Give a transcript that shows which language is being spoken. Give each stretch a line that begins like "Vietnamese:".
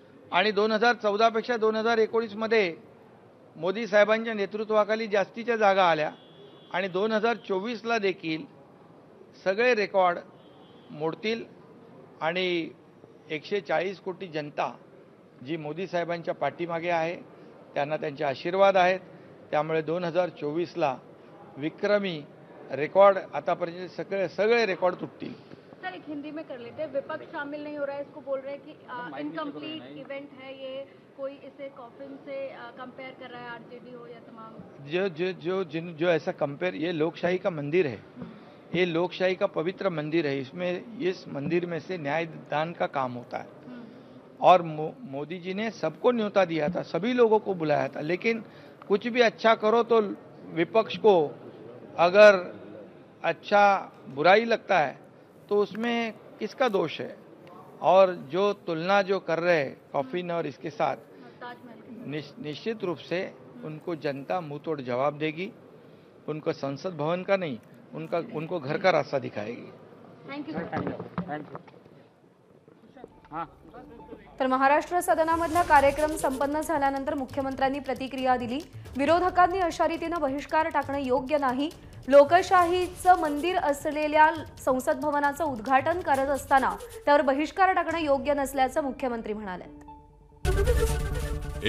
Marathi: आणि 2014 2019 मोदी साहेबांच्या नेतृत्वाखाली जास्तीच्या जागा आल्या आणि 2024 देखील सगळे रेकॉर्ड मोडतील. आणि 140 कोटी जनता जी मोदी साहेबांच्या पाठीमागे आहे, त्यांना त्यांचे आशीर्वाद आहेत, त्यामुळे 2024 विक्रमी रेकॉर्ड आतापर्यंत सगळे रेकॉर्ड तुटतील।
Hindi: सर एक हिंदी में कर लेते, विपक्ष शामिल नहीं हो रहा है, इसको बोल रहे हैं कि इनकम्प्लीट इवेंट है ये, कोई इसे कॉफिन से कंपेयर कर रहा है आरजेडी हो या तमाम। जो जो जो जिन जो ऐसा कंपेयर, ये लोकशाही का मंदिर है, ये लोकशाही का पवित्र मंदिर है, इसमें इस मंदिर में से न्यायदान का काम होता है। और मोदी जी ने सबको न्योता दिया था, सभी लोगों को बुलाया था, लेकिन कुछ भी अच्छा करो तो विपक्ष को अगर अच्छा बुराई लगता है तो उसमें किसका दोष है। और जो तुलना जो कर रहे हैं कॉफिन और इसके साथ, निश्चित रूप से उनको जनता मुंह तोड़ जवाब देगी, उनको संसद भवन का नहीं, उनका उनको घर का रास्ता दिखाएगी।
Marathi: तर महाराष्ट्र सदनामधला कार्यक्रम संपन्न झाल्यानंतर मुख्यमंत्र्यांनी प्रतिक्रिया दिली। विरोधकांनी अशा रीतीने बहिष्कार टाकणे योग्य नाही, लोकशाहीचं मंदिर असलेल्या संसद भवनाचं उद्घाटन करत असताना त्यावर बहिष्कार टाकणं योग्य नसल्याचं मुख्यमंत्री म्हणाले।